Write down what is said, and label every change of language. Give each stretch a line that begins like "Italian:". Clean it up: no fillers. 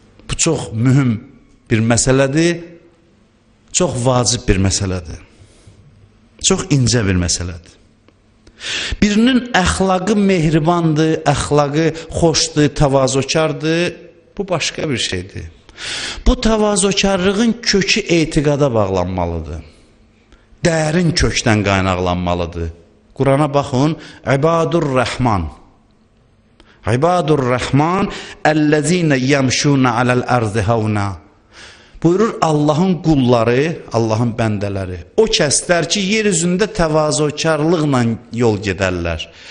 Azerbaijani: Bu çox mühüm bir məsələdir. Çox vacib bir məsələdir. Çox incə bir məsələdir. Birinin əxlaqı mehribandır, əxlaqı xoşdur, təvazökardır. Bu başqa bir şeydir. Bu təvazökarlığın kökü etiqada bağlanmalıdır. Dərin kökdən qaynaqlanmalıdır. Qurana baxın, İbadur-Rəhman.
Arabic: İbadur-Rəhman, əlləzina yamşuna aləl ərzi havna.
Azerbaijani: Buyurur Allahın qulları, Allahın bəndələri. O kəslər ki, yer üzündə təvazökarlıqla yol gedərlər.